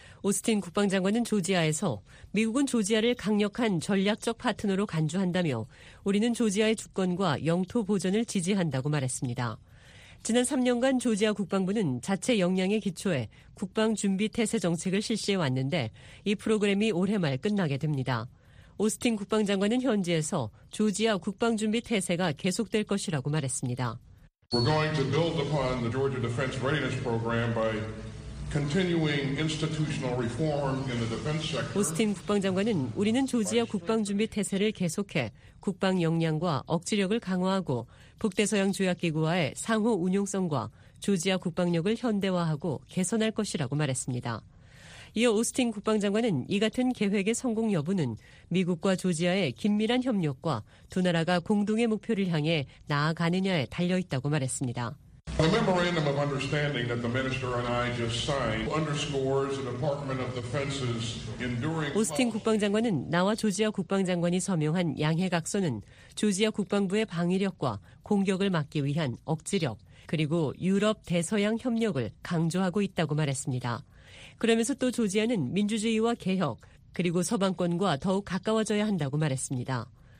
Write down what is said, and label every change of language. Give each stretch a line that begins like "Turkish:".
Korean: 오스틴 국방장관은 조지아에서 미국은 조지아를 강력한 전략적 파트너로 간주한다며 우리는 조지아의 주권과 영토 보전을 지지한다고 말했습니다. 지난 3년간 조지아 국방부는 자체 역량에 기초해 국방 준비 태세 정책을 실시해왔는데 이 프로그램이 올해 말 끝나게 됩니다. 오스틴 국방장관은 현지에서 조지아 국방 준비 태세가 계속될 것이라고 말했습니다.
English: We're going to build upon the Georgia Defense Readiness Program by continuing institutional reform in the defense sector.
Korean: 오스틴 국방장관은 우리는 조지아 국방 준비 태세를 계속해 국방 역량과 억지력을 강화하고 북대서양 조약기구와의 상호 운용성과 조지아 국방력을 현대화하고 개선할 것이라고 말했습니다. 이어 오스틴 국방장관은 이 같은 계획의 성공 여부는 미국과 조지아의 긴밀한 협력과 두 나라가 공동의 목표를 향해 나아가느냐에 달려있다고 말했습니다.
English: The memorandum of understanding that the minister and I just signed underscores the Department of Defense's enduring.
Korean: 오스틴 국방장관은 나와 조지아 국방장관이 서명한 양해각서는 조지아 국방부의 방위력과 공격을 막기 위한 억지력 그리고 유럽 대서양 협력을 강조하고 있다고 말했습니다. 그러면서 또 조지아는 민주주의와 개혁 그리고 서방권과 더욱 가까워져야 한다고 말했습니다.